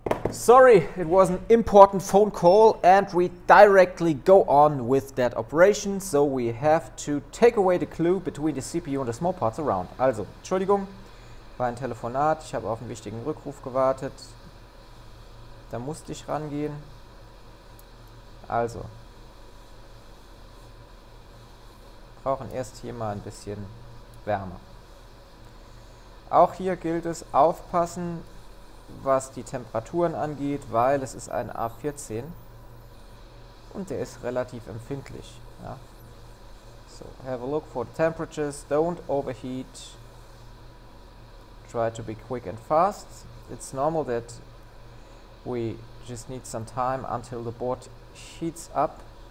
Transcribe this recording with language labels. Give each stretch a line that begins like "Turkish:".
English: Sorry, it was an important phone call and we directly go on with that operation. So we have to take away the glue between the CPU and the small parts around.
German: Also, Entschuldigung, war ein Telefonat, ich habe auf einen wichtigen Rückruf gewartet. Da musste ich rangehen. Also, brauchen erst hier mal ein bisschen Wärme. Auch hier gilt es aufpassen, was die Temperaturen angeht, weil es ist ein A14 und der ist relativ empfindlich. Ja.
English: So, have a look for the temperatures, don't overheat, try to be quick and fast. It's normal that we just need some time until the board heats up.